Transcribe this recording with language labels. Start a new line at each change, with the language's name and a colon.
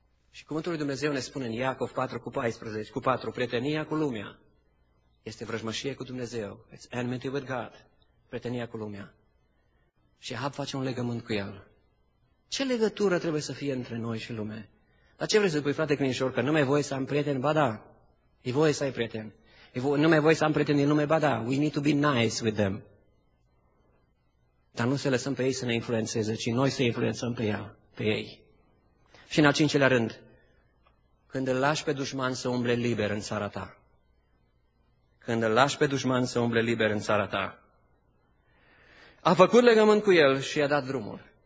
Romanian: Și cuvântul lui Dumnezeu ne spune în Iacov 4:14, prietenia cu lumea este vrăjmășie cu Dumnezeu.
English: It's enmity with God,
Romanian: prietenia cu lumea. Și Ahab face un legământ cu el. Ce legătură trebuie să fie între noi și lume? Dar ce vrei să spui, frate Crinșor, că nu mai voie să am prieten? Ba da, e voie să ai prieten. Nu mai voie să am prieten din lume? Ba da,
English: we need to be nice with them.
Romanian: Dar nu să lăsăm pe ei să ne influențeze, ci noi să influențăm pe ei. Și în al cincilea rând, când îl lași pe dușman să umble liber în țara ta, când îl lași pe dușman să umble liber în țara ta. A făcut legământ cu el și i-a dat drumul.